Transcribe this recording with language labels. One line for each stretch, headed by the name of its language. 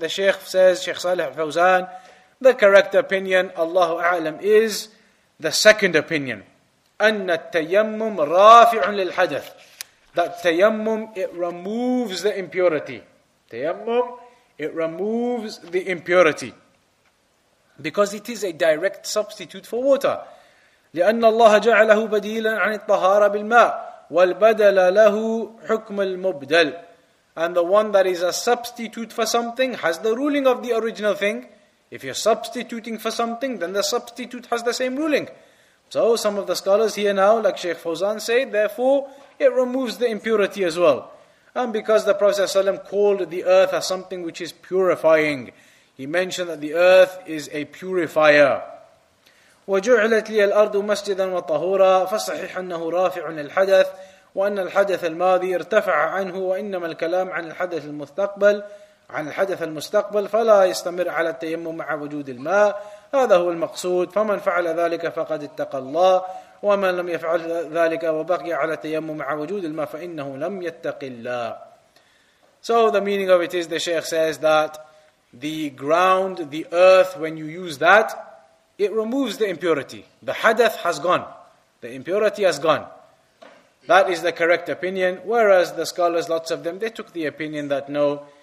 English: The Shaykh says, Shaykh Saleh Fawzan, the correct opinion, Allahu A'lam, is the second opinion.
Arabic: أن التيمم رافع للحدث.
English: That tayammum, it removes the impurity. Tayammum, it removes the impurity. Because it is a direct substitute for water.
Arabic: لأن الله جعله بديلا عن الطهارة بالماء. والبدل له حكم المبدل.
English: And the one that is a substitute for something has the ruling of the original thing. If you're substituting for something, then the substitute has the same ruling. So some of the scholars here now, like Shaykh Fawzan, say, therefore, it removes the impurity as well. And because the Prophet ﷺ called the earth as something which is purifying, he mentioned that the earth is a purifier.
Arabic: وَجُعْلَتْ لِيَ الْأَرْضُ مَسْجِدًا وَطَهُورًا فَصَّحِحَ أَنَّهُ رَافِعٌ لِلْحَدَثِ وَأَنَّ الْحَدَثَ الْمَاذِي ارْتَفَعَ عَنْهُ وَإِنَّمَا الْكَلَامُ عَنِ الْحَدَثِ الْمُسْتَقْبَلِ عن الحدث المستقبل فلا يستمر على التيمم مع وجود الماء هذا هو المقصود فمن فعل ذلك فقد اتقى الله ومن لم يفعل ذلك وبقي على التيمم مع وجود الماء فإنه لم يتق الله.
English: So the meaning of it is, the Shaykh says that the ground, the earth, when you use that, it removes the impurity. The hadath has gone, the impurity has gone. That is the correct opinion, whereas the scholars, lots of them, they took the opinion that no,